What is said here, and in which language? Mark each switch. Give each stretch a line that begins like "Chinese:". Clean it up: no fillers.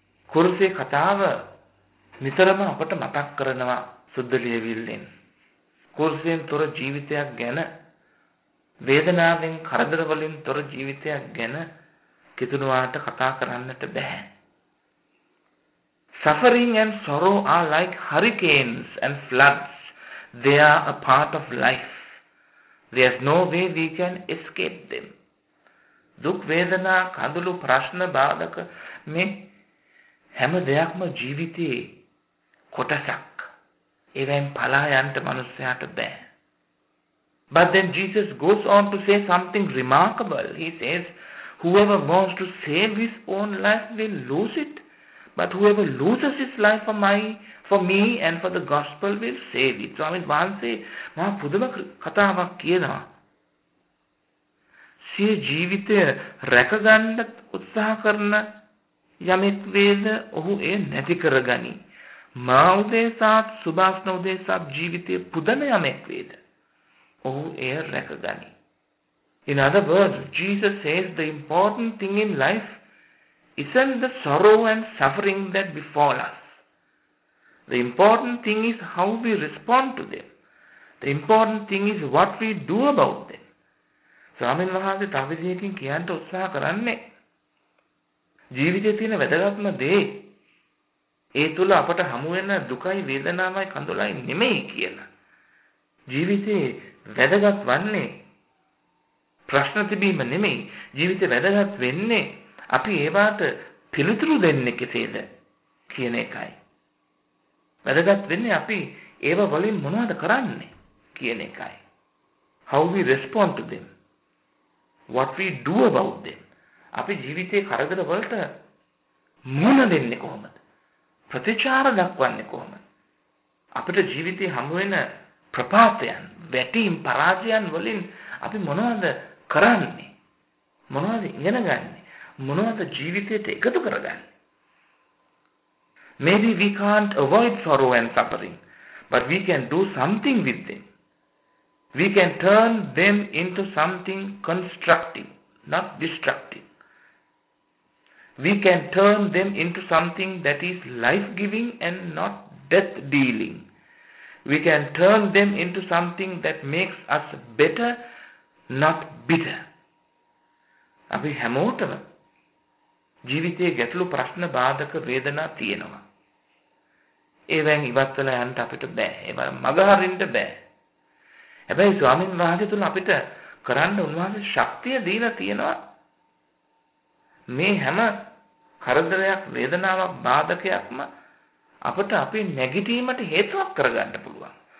Sinhala: කුරුසේ කතාව නිතරම අපට මතක් කරනවා සුද්ධ ලියවිල්ලෙන්. කුරුසයෙන් තොර ජීවිතයක් ගැන, වේදනාවෙන් කරදරවලින් තොර ජීවිතයක් ගැන කිතුනුවාට කතා කරන්නට බැහැ.
English: Suffering and sorrow are like hurricanes and floods. They are a part of life. There's no way we can escape them.
Sinhala: දුක් වේදනා, කඳුළු, ප්‍රශ්න, බාධක මේ හැම දෙයක්ම ජීවිතයේ කොටසක්. ඒවෙන් පලා යන්න මනුස්සයාට බැහැ.
English: But then Jesus goes on to say something remarkable. He says, whoever wants to save his own life will lose it. But whoever loses his life for me and for the gospel will save it.
Sinhala: So, මහා පුදුම කතාවක් කියනවා. සිය ජීවිතය රැකගන්න උත්සාහ කරන යමෙක් වේද, ඔහු එය නැති කරගනි. මා උදෙසාත් සුභාෂ්ණ උදෙසාත් ජීවිතය පුදන යමෙක් වේද, ඔහු එය රැකගනි.
English: In other words, Jesus says the important thing in life isn't the sorrow and suffering that befall us. The important thing is how we respond to them. The important thing is what we do about them.
Sinhala: ස්වාමීන් වහන්සේ තව විදිහකින් කියන්න උත්සාහ කරන්නේ, ජීවිතයේ තියෙන වැදගත්ම දේ ඒ තුල අපට හමු වෙන දුකයි වේදනාවයි කඳුලයි නෙමෙයි කියලා. ජීවිතයේ වැදගත් වන්නේ ප්‍රශ්න තිබීම නෙමෙයි, ජීවිතේ වැදගත් වෙන්නේ අපි ඒවාට පිළිතුරු දෙන්නේ කෙසේද කියන එකයි. වැදගත් වෙන්නේ අපි ඒව වලින් මොනවද කරන්නේ කියන එකයි.
English: How we respond to them, what we do about them.
Sinhala: අපි ජීවිතේ කරදර වලට මුණ දෙන්නේ කොහොමද, ප්‍රතිචාර දක්වන්නේ කොහොමද? අපිට ජීවිතේ හමු වෙන ප්‍රපාතයන්, වැටීම්, පරාජයන් වලින් අපි මොනවද කරන්නේ, මොනවද ඉගෙන ගන්නෙ, මොනවද ජීවිතයට එකතු කරගන්නේ?
English: Maybe we can't avoid sorrow and suffering, but we can do something with them. We can turn them into something constructive, not destructive. We can turn them into something that is life-giving and not death-dealing. We can turn them into something that makes us better, not bitter.
Sinhala: අපි හැමෝටම ජීවිතයේ ගැටලු ප්‍රශ්න බාධක වේදනා තියෙනවා. ඒවෙන් ඉවත් වෙලා යන්න අපිට බෑ. ඒව මගහරින්න බෑ. හැබැයි ස්වාමීන් වහන්සේ තුල අපිට කරන්න උන්වහන්සේ ශක්තිය දීලා තියෙනවා. මේ හැම කරදරයක් වේදනාවක් බාධකයක්ම අපට අපේ නැගිටීමට හේතුවක් කරගන්න පුළුවන්.